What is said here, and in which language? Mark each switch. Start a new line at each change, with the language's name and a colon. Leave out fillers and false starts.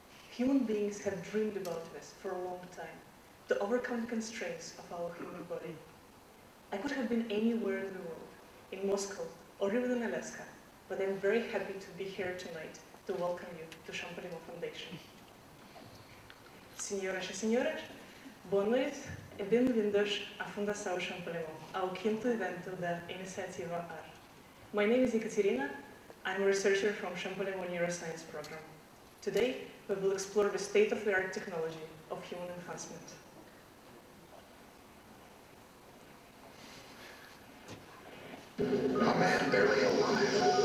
English: Human beings have dreamed about this for a long time, to overcome the constraints of our human body. I could have been anywhere in the world, in Moscow, or even in Alaska, but I'm very happy to be here tonight to welcome you to Champalimaud Foundation.
Portuguese: Senhoras e senhores, boa noite e bem-vindos à Fundação Champalimaud, ao quinto evento da Iniciativa AR.
English: My name is Ekaterina, I'm a researcher from Champalimaud Neuroscience Program. Today, we will explore the state-of-the-art technology of human enhancement. A man barely alive.